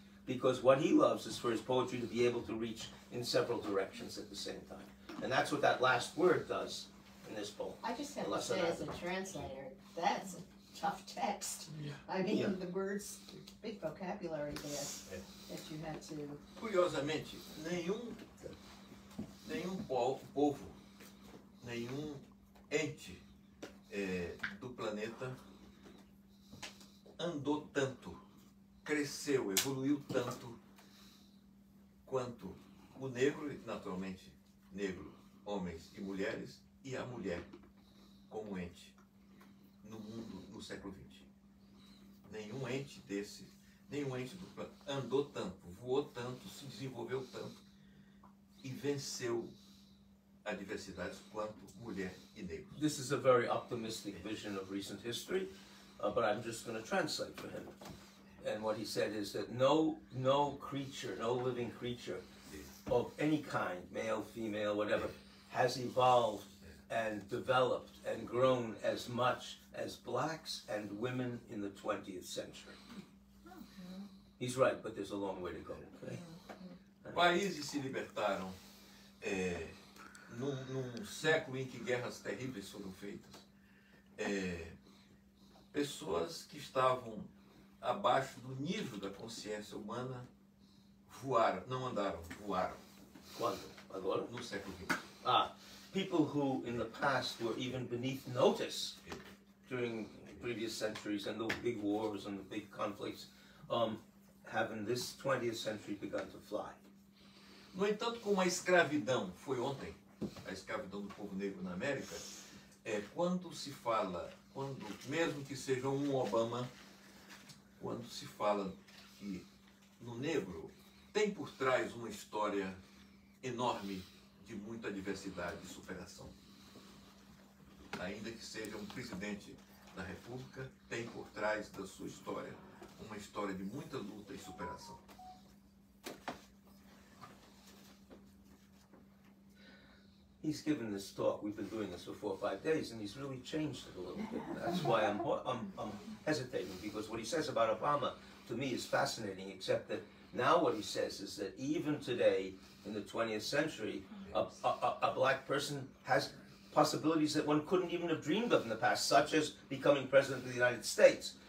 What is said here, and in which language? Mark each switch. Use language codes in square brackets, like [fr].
[en] Because what he loves is for his poetry to be able to reach in several directions at the same time. And that's what that last word does in this poem. I just have to say, as a translator, that's tough text. Yeah. The words, big vocabulary there that you had to... [pt] Curiosamente, nenhum povo, nenhum ente do planeta andou tanto, cresceu, evoluiu tanto quanto o negro, naturalmente negro, homens e mulheres, e a mulher como ente. No mundo no século XX. Nenhum ente do planeta andou tanto, voou tanto, se desenvolveu tanto e venceu adversidades quanto mulher e negro. [en] This is a very optimistic vision of recent history, but I'm just going to translate for him. And what he said is that no creature, no living creature of any kind, male, female, whatever, has evolved and developed and grown as much as blacks and women in the 20th century. He's right, but there's a long way to go. [pt] Países se libertaram num século em que guerras terríveis foram feitas. Pessoas que estavam abaixo do nível da consciência humana voaram, não andaram, voaram. Quando? Agora? No século XX. [en] Ah, people who in the past were even beneath notice during previous centuries and the big wars and the big conflicts, have in this 20th century begun to fly. [pt] No entanto, como a escravidão foi ontem, a escravidão do povo negro na América, quando se fala, quando, mesmo que seja um Obama, quando se fala que no negro tem por trás uma história enorme de muita diversidade e superação. Ainda que seja um presidente da República, tem por trás da sua história uma história de muita luta e superação. [en] He's given this talk, we've been doing this for 4 or 5 days, and he's really changed it a little bit. That's why I'm hesitating, because what he says about Obama, to me, is fascinating, except that now what he says is that even today, in the 20th century, a black person has possibilities that one couldn't even have dreamed of in the past, such as becoming president of the United States.